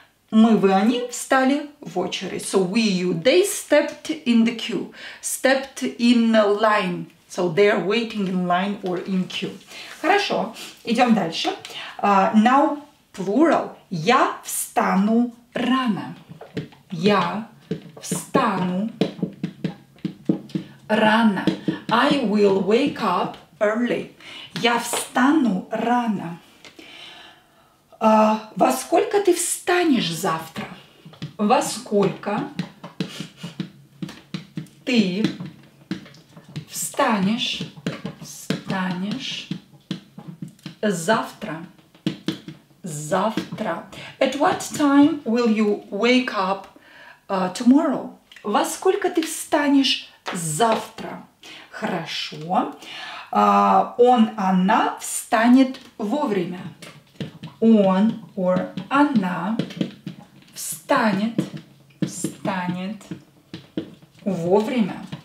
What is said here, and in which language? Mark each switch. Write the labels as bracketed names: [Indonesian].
[Russian] Мы, вы, они встали в очередь. [English] So we, you, they stepped in the queue. Stepped in the line. So they are waiting in line or in queue. [Russian] Хорошо, идем дальше. [English] Now plural. [Russian] Я встану рано. Я встану рано. [English] I will wake up early. [Russian] Я встану рано. Во сколько ты встанешь завтра? Во сколько ты встанешь завтра? Завтра. [English] At what time will you wake up tomorrow? [Russian] Во сколько ты встанешь завтра? Хорошо. Он, она встанет вовремя. Он or она встанет вовремя.